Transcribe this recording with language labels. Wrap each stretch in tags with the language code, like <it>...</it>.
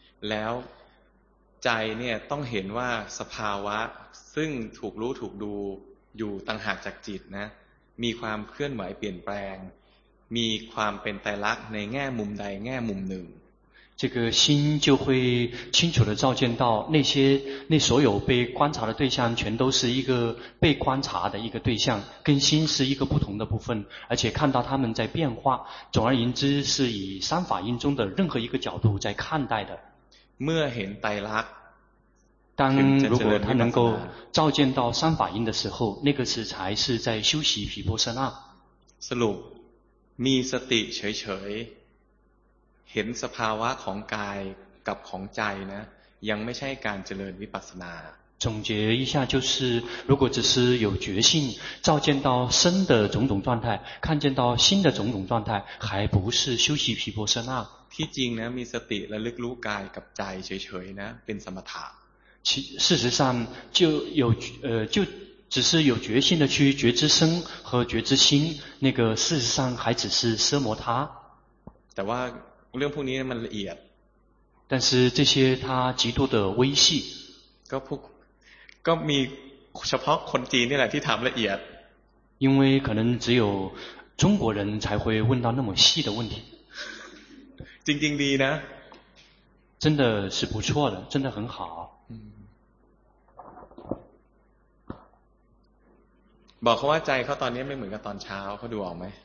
<th>แล้วใจเนี่ยต้องเห็นว่าสภาวะซึ่งถูกรู้ถูกดูอยู่ต่างหากจากจิตนะมีความเคลื่อนไหวเปลี่ยนแปลงมีความเป็นไตรลักษณ์ในแง่มุมใดแง่มุมหนึ่ง</th> <zh>这个心就会清楚地照见到那所有被观察的对象全都是一个被观察的一个对象跟心是一个不同的部分而且看到他们在变化总而言之是以三法印中的任何一个角度在看待的</zh> <th>เมื่อเห็นไตรลักษณ์</th> <zh>当如果他能够照见到三法印的时候那个是才是在修习毗婆舍那</zh> <th>สรุปมีสติเฉยเห็นสภาวะของกายกับของใจนะยังไม่ใช่การเจริญวิปัสสนา</th> <zh>总结一下就是如果只是有觉性照见到身的种种状态看见到心的种种状态还不是修习毗婆舍那</zh> <th>ที่จริงนะมีสติระลึกรู้กายกับใจเฉยๆนะเป็นสมถะ</th> <zh>事实上就有就只是有觉性的去觉知身和觉知心那个事实上还只是奢摩他</zh> <th>แต่ว่าเรื่องพวกนี้มันละเอียด</th> <zh>但是这些它极度的微细</zh> <th>ก็มีเฉพาะคนจีนนี่แหละที่ถามละเอียด</th> <zh>因为可能只有中国人才会问到那么细的问题</zh> <th>จริงๆดีนะ</th> <zh>真的是不错的真的很好</zh> <th>บอกเขาว่าใจเขาตอนนี้ไม่เหมือนกับตอนเช้าเขาดูออกไหม</th>